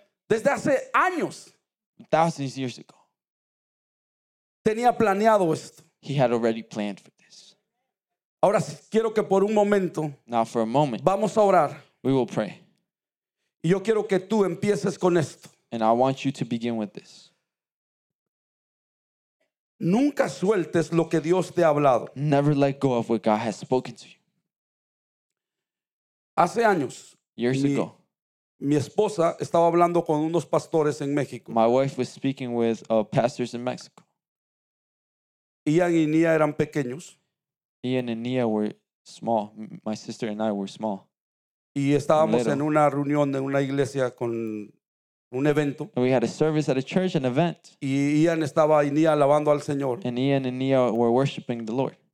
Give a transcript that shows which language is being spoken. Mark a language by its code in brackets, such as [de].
[es] Desde hace años. [en] Thousands of years ago. [es] Tenía planeado esto. [en] He had already planned for this. [es] Ahora quiero que por un momento. [en] Now for a moment. [es] Vamos a orar. [en] We will pray. [es] Y yo quiero que tú empieces con esto. [en] And I want you to begin with this. [es] Nunca sueltes lo que Dios te ha hablado. [en] Never let go of what God has spoken to you. [es] Hace años, [en] Years ago, [es] mi esposa estaba hablando con unos pastores en México. [en] My wife was speaking with pastors in Mexico. [es] Ian y Nia eran pequeños. [en] Ian and Nia were small. My sister and I were small. [es] Y estábamos en una reunión de una iglesia con un evento. [en] And we had a service at a church, an event. [es] Y Ian estaba y Nia alabando al Señor. [en] And Ian and Nia were worshiping the Lord.